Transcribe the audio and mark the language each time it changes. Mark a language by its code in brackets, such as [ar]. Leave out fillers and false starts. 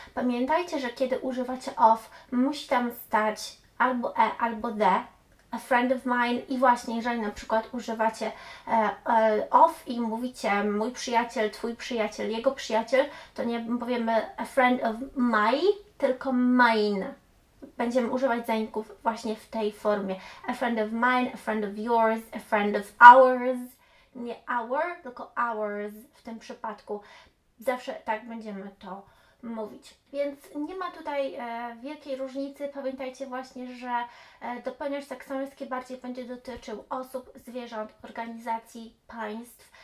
[pl] Pamiętajcie, że kiedy używacie of, musi tam stać albo e, albo the, [en] a friend of mine, [pl] i właśnie, jeżeli na przykład używacie of i mówicie mój przyjaciel, twój przyjaciel, jego przyjaciel, to nie powiemy [en] a friend of my, [pl] tylko mine. Będziemy używać zaimków właśnie w tej formie. [en] A friend of mine, a friend of yours, a friend of ours. [pl] Nie our, tylko ours w tym przypadku. Zawsze tak będziemy to mówić. Więc nie ma tutaj wielkiej różnicy. Pamiętajcie właśnie, że dopełniacz saksoński bardziej będzie dotyczył osób, zwierząt, organizacji, państw.